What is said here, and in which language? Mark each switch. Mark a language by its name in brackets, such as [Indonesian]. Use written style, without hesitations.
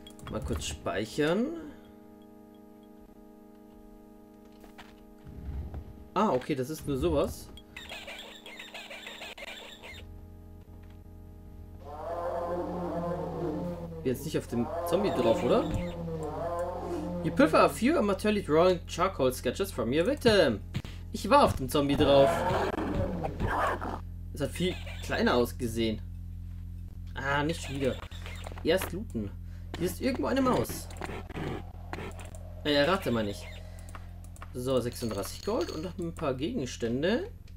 [German] Mal kurz speichern. Ah, okay, das ist nur sowas. Jetzt nicht auf dem Zombie drauf, oder? [English] You prefer a few amateurly drawn charcoal sketches from your victim. [German] Ich war auf dem Zombie drauf. Es hat viel kleiner ausgesehen. Ah, nicht schon wieder. Erst looten. Hier ist irgendwo eine Maus. Errate mal nicht. So, 36 Gold und noch ein paar Gegenstände.